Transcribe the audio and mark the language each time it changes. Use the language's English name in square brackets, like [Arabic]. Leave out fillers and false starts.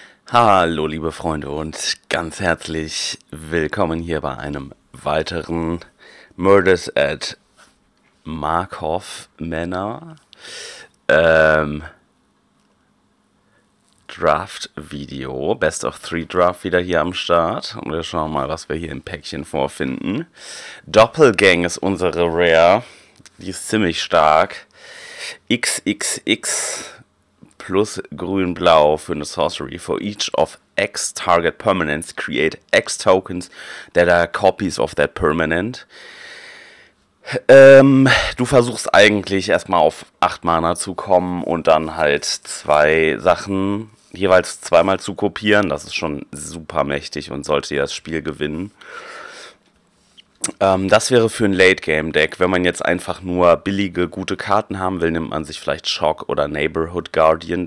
[German] Hallo liebe Freunde und ganz herzlich willkommen hier bei einem weiteren Murders at Markov Manor Draft Video. Best of 3 Draft wieder hier am Start und wir schauen mal, was wir hier im Päckchen vorfinden. Doppelgang ist unsere Rare, die ist ziemlich stark. XXX plus grün-blau für eine Sorcery. [English] For each of X target permanents, create X tokens that are copies of that permanent. [German] Du versuchst eigentlich erstmal auf 8 Mana zu kommen und dann halt zwei Sachen jeweils zweimal zu kopieren. Das ist schon super mächtig und sollte dir das Spiel gewinnen. Das wäre für ein Late-Game-Deck, wenn man jetzt einfach nur billige, gute Karten haben will, nimmt man sich vielleicht Shock oder Neighborhood Guardian.